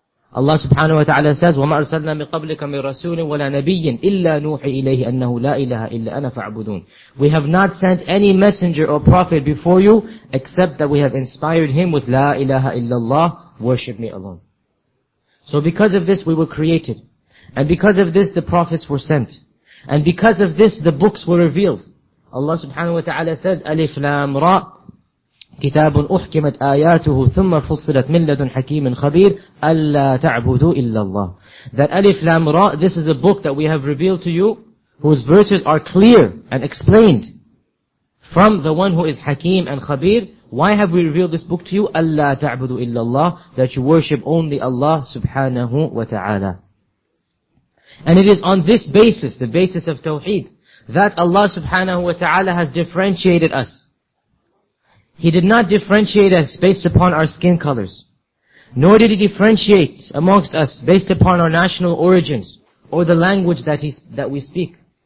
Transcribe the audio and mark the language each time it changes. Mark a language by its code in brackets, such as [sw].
[en] Allah subhanahu wa ta'ala says, [ar] وَمَا أَرْسَلْنَا مِنْ قَبْلِكَ مِنْ رَسُولٍ وَلَا نَبِيٍّ إِلَّا نُوحِي إِلَيْهِ أَنَّهُ لَا إِلَهَ إِلَّا أَنَا فَعْبُدُونَ. [en] We have not sent any messenger or prophet before you, except that we have inspired him with [ar] لَا إِلَهَ إِلَّا اللَّهِ, [en] worship me alone. So because of this we were created. And because of this the prophets were sent. And because of this the books were revealed. Allah subhanahu wa ta'ala says, [ar] أَلِفْ لَامْ رَا كتاب أحكمت آياته ثم فصلت من لدن حكيم خبير ألا تعبدوا إلا الله. [en] That Alif Lam Ra, this is a book that we have revealed to you, whose verses are clear and explained from the one who is Hakim and Khabir. Why have we revealed this book to you? [ar] ألا تعبدوا إلا الله, [en] that you worship only Allah [ar] سبحانه وتعالى. [en] And it is on this basis, the basis of Tawheed, that Allah [ar] سبحانه وتعالى [en] has differentiated us. He did not differentiate us based upon our skin colors. Nor did He differentiate amongst us based upon our national origins or the language that we speak.